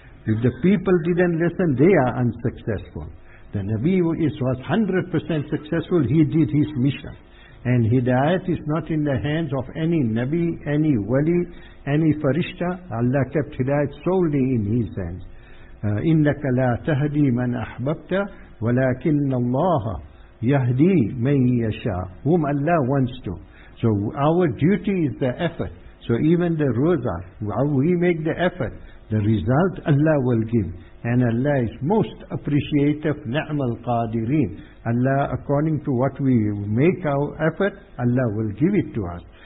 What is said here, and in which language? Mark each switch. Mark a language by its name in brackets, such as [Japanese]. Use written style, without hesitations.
[English] If the people didn't listen, they are unsuccessful. The Nabi was 100% successful, he did his mission. And hidayat is not in the hands of any Nabi, any Wali, any Farishta. Allah kept hidayat solely in his hands. [Arabic] إِنَّكَ لَا تَهْدِي مَنْ أَحْبَبْتَ وَلَكِنَّ اللَّهَ يَهْدِي مَنْ يَشَاءُ [English] Whom Allah wants to. So our duty is the effort. So even the roza, we make the effort, the result Allah will give. And Allah is most appreciative, [Arabic] نعم القادرين. [English] Allah, according to what we make our effort, Allah will give it to us.